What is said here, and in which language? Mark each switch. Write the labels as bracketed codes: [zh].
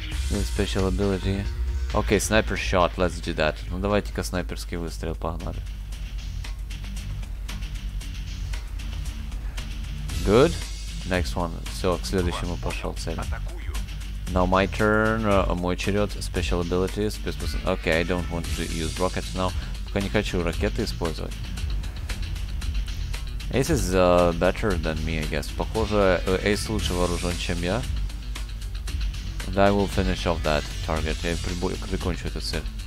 [en] The special ability. Okay, sniper shot, let's do that. [ru] Ну давайте-ка снайперский выстрел, погнали. [en] Good. Next one. [ru] Все, к следующему пошел цель. [en] Now my turn. [ru] Мой черед. [en] Special abilities. Okay, I don't want to use rockets now. [ru] Пока не хочу ракеты использовать. [en] Ace is better than me, I guess. [ru] Похоже, Ace лучше вооружен, чем я. [en] And I will finish off that target. [ru] Я прикончу эту цель.